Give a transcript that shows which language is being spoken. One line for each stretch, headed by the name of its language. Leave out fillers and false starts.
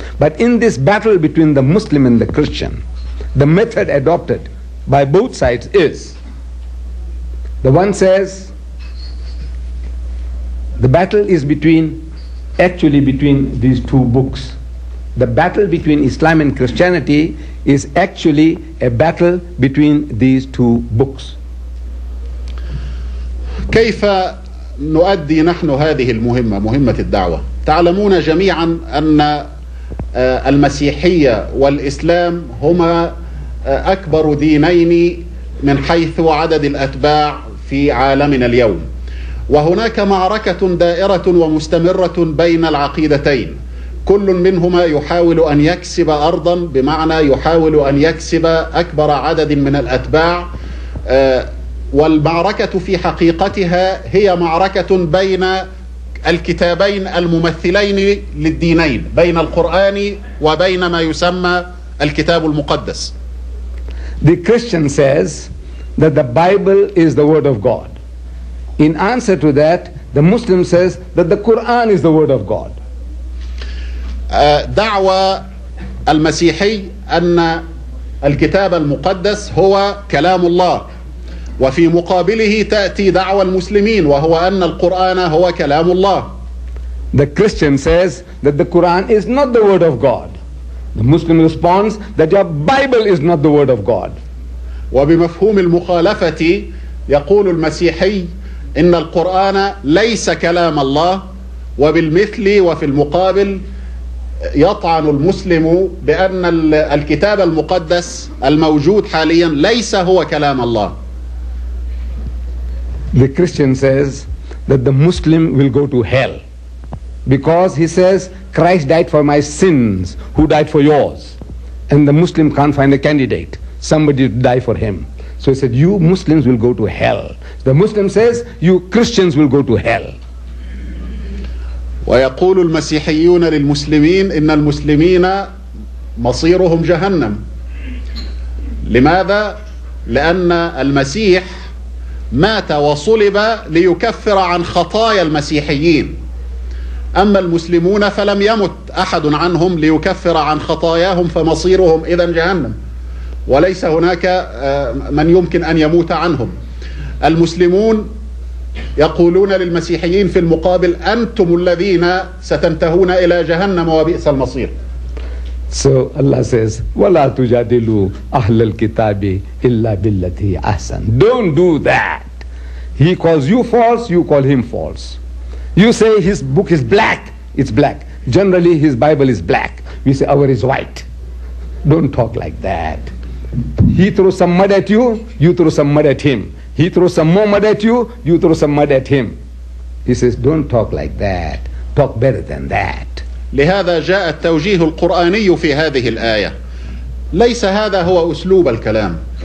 English: But in this battle between the Muslim and the Christian, the method adopted by both sides is, the one says, the battle is between, actually between these two books. The battle between Islam and Christianity is actually a battle between these two books.
Arabic: كيف نؤدي نحن هذه المهمة، مهمة الدعوة؟ تعلمون جميعا أن المسيحية والإسلام هما أكبر دينين من حيث عدد الأتباع في عالمنا اليوم، وهناك معركة دائرة ومستمرة بين العقيدتين، كل منهما يحاول أن يكسب أرضا، بمعنى يحاول أن يكسب أكبر عدد من الأتباع. والمعركة في حقيقتها هي معركة بين الكتابين الممثلين للدينين، بين القرآن وبين ما يسمى الكتاب المقدس.
English: The Christian says that the Bible is the word of God. In answer to that, the Muslim says that the Quran is the word of God.
Arabic: دعوة المسيحي أن الكتاب المقدس هو كلام الله، وفي مقابله تأتي دعوى المسلمين وهو أن القرآن هو كلام الله.
English: The Christian says that the Quran is not the word of God. The Muslim responds that your Bible is not the word of God.
Arabic: وبمفهوم المخالفة يقول المسيحي إن القرآن ليس كلام الله، وبالمثل وفي المقابل يطعن المسلم بأن الكتاب المقدس الموجود حاليا ليس هو كلام الله.
English: The Christian says that the Muslim will go to hell because he says Christ died for my sins, who died for yours, and the Muslim can't find a candidate, somebody to die for him. So he said, you Muslims will go to hell. The Muslim says, you Christians will go to hell.
Arabic: ويقول المسيحيون للمسلمين إن المسلمين مصيرهم جهنم. لماذا؟ لأن المسيح مات وصلب ليكفر عن خطايا المسيحيين، أما المسلمون فلم يمت أحد عنهم ليكفر عن خطاياهم، فمصيرهم إذن جهنم، وليس هناك من يمكن أن يموت عنهم. المسلمون يقولون للمسيحيين في المقابل أنتم الذين ستنتهون إلى جهنم وبئس المصير.
English: So Allah says
Arabic: ولا تجادلوا أهل الكتاب إلا بالتي أحسن.
English: Don't do that. He calls you false, you call him false. You say his book is black, it's black. Generally his Bible is black. We say our is white. Don't talk like that. He throws some mud at you, you throw some mud at him. He throws some more mud at you, you throw some mud at him. He says, don't talk like that. Talk better than that.
Arabic: لهذا جاء التوجيه القرآني في هذه الآية. ليس هذا هو أسلوب الكلام.